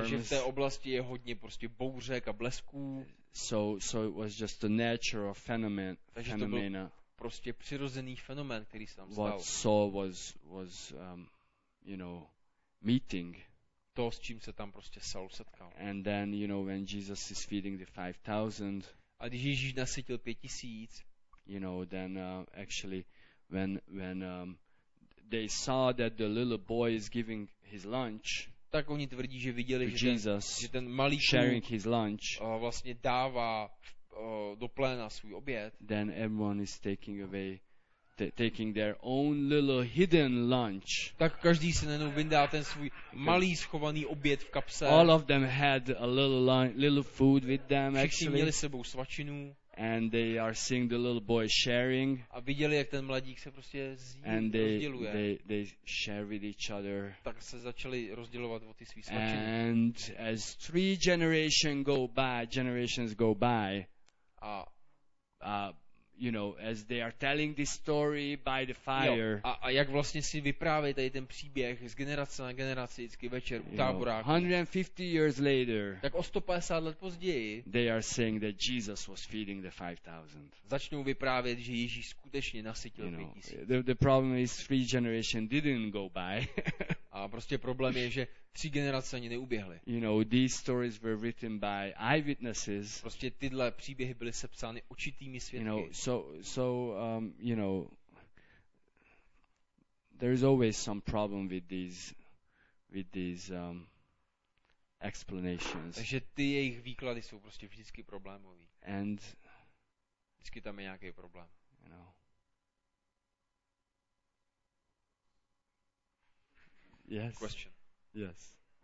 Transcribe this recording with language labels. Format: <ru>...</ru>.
<cs>Takže v té oblasti je hodně prostě bouřek a blesků.</cs> <en>So it was just a natural phenomenon.</en> <cs>Takže to byl prostě přirozený fenomén, který se nám stal.</cs> <en>What Saul was you know, meeting.</en> <cs>To, s čím se tam prostě Saul setkal.</cs> <en>And then, you know, when Jesus is feeding the 5,000.</en> <cs>A když Ježíš nasytil 5,000.</cs> <en>You know, then actually, when they saw that the little boy is giving his lunch,</en> <cs>tak oni tvrdí, že viděli,</cs> <en>to Jesus,</en> <cs>že ten malý</cs> <en>sharing his lunch,</en> <cs>vlastně dává do pléna svůj oběd.</cs> <en>Then everyone is taking away, taking their own little hidden lunch.</en> <cs>Tak každý se najednou vyndá ten svůj malý schovaný oběd v kapse.</cs> <en>All of them had a little food with them.</en> <cs>Všichni měli sebou svačinu.</cs> <en>And they are seeing the little boy sharing.</en> <cs>A viděli, jak ten mladík se prostě rozděluje.</cs> <en>They share with each other.</en> <cs>Tak se začali rozdělovat o ty svý svačiny.</cs> <en>And as three generations go by, you know, as they are telling this story by the fire.</en> <cs>Jo, a jak vlastně si vyprávějí tady ten příběh z generace na generaci, vždycky večer u táboráku.</cs> <en>150 years later.</en> <cs>Tak o 150 let později.</cs> <en>They are saying that Jesus was feeding the 5,000.</en> <cs>Začnou vyprávět, že Ježíš skutečně nasytil 5,000.</cs> <en>The problem is three generations didn't go by.</en> <cs>A prostě problém je, že tři generace ani neuběhly.</cs> <en>You know, these stories were written by eyewitnesses.</en> <cs>Prostě tyhle příběhy byly sepsány očitými svědky.</cs> <en>You know, so you know, there is always some problem with these explanations.</en> <cs>Takže ty jejich výklady jsou prostě vždycky problémový.</cs> <en>And</en> <cs>vždycky tam je nějaký problém.</cs> <en>you know. Yes. Question. Yes.</en>